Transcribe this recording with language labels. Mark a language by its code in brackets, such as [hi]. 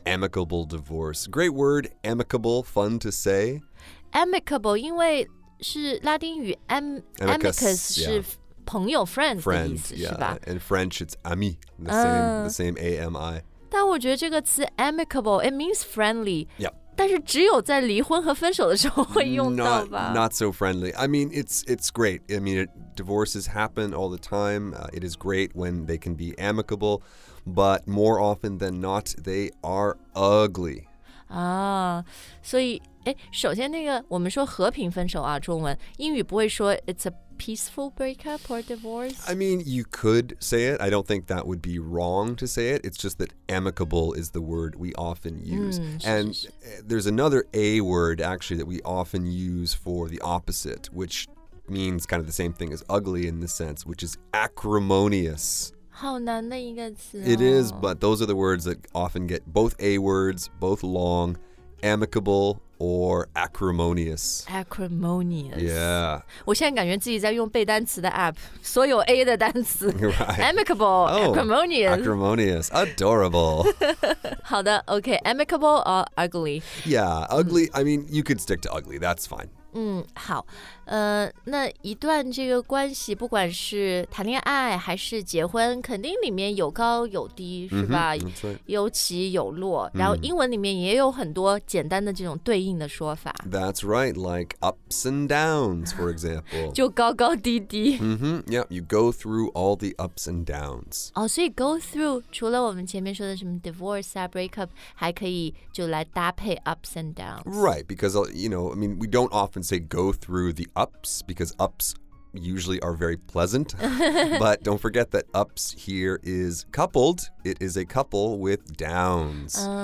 [en] Amicable divorce. Great word, amicable, fun to say. [zh] Amicable, 因为是拉丁语 amicus 是朋友 friend 的意思是吧 [en] in French it's ami the same A-M-I [zh] 但我觉得这个词 amicable [en] it means friendly、 yep. [zh] 但是只有在离婚和分手的时候会用到吧 [en] not so friendly I mean it's great I mean divorces happen all the time、it is great when they can be amicable but more often than not they are ugly [zh] 啊所以首先那个我们说和平分手啊中文英语不会说 [en] it's a peaceful breakup or divorce I mean you could say it I don't think that would be wrong to say it it's just that amicable is the word we often use、and there's another A word actually that we often use for the opposite which means kind of the same thing as ugly in this sense which is acrimonious [zh] 好难的一个词、哦、 [en] it is but those are the words that often get both A words both long amicableOr acrimonious. Acrimonious. Yeah. [zh] 我现在感觉自己在用背单词的 app, 所有 A 的单词 [en] Right. Amicable,、oh, acrimonious. Acrimonious, adorable. [zh] 好的 [en] OK, amicable or ugly? Yeah, ugly,、I mean, you could stick to ugly, that's fine. [zh] 好那一段这个关系不管是谈恋爱还是结婚肯定里面有高有低是吧、有起有落、然后英文里面也有很多简单的这种对应的说法 [en] That's right, like ups and downs, for example [zh] 就高高低低、 [en] Yeah, you go through all the ups and downs [zh] 哦，所以 go through 除了我们前面说的什么 divorce 啊 breakup 还可以就来搭配 ups and downs [en] Right, because, you know, I mean, we don't often say go through the ups because ups usually are very pleasant but don't forget that ups here is coupled it is a couple with downs